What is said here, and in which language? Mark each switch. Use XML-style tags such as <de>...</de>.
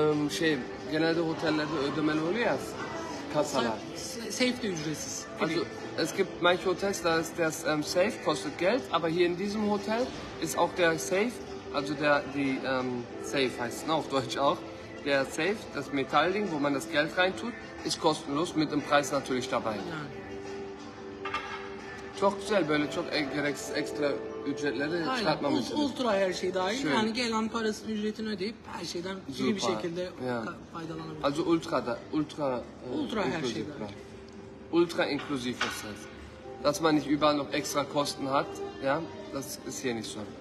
<tr>Şey, genelde hotellerde ödemeli oluyor ya, kasalar. Safe ücretsiz.</tr> <de>Also, es gibt manche Hotels, da ist das Safe, kostet Geld, aber hier in diesem Hotel ist auch der Safe, also der, die, Safe heißt es, ne, auf Deutsch auch, der Safe, das Metallding, wo man das Geld reintut, ist kostenlos, mit dem Preis natürlich dabei.</de> <tr>Çok güzel, böyle çok gereksiz ekstra ücretleri çıkartmamış. Aynen, ultra her şey dahil. Şöyle. Yani gelen parasını, ücretini ödeyip her şeyden super. İyi bir şekilde faydalanabilir. Also ultra da, ultra inklusif. Ultra her şey dahil.</tr> <de>Ultra inklusif, was heißt. dass man nicht überall noch extra Kosten hat. Ja, das ist hier nicht so.</de>